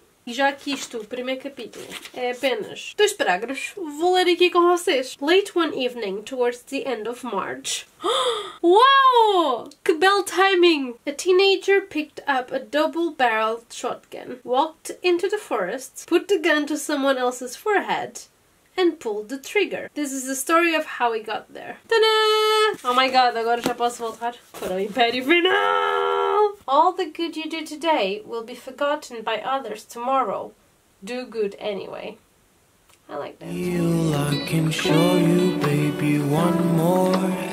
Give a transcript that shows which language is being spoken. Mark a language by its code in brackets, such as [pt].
[pt] E já aqui isto, o primeiro capítulo, é apenas 2 parágrafos. Vou ler aqui com vocês. [en] Late one evening, towards the end of March. Uau! [pt] Que bel timing! [en] A teenager picked up a double-barreled shotgun, walked into the forest, put the gun to someone else's forehead, and pulled the trigger. This is the story of how he got there. Ta-da! Oh my god, [pt] agora já posso voltar para o Império Final! [en] All the good you do today will be forgotten by others tomorrow. Do good anyway. I like that. Heal, I can show you, baby, one more.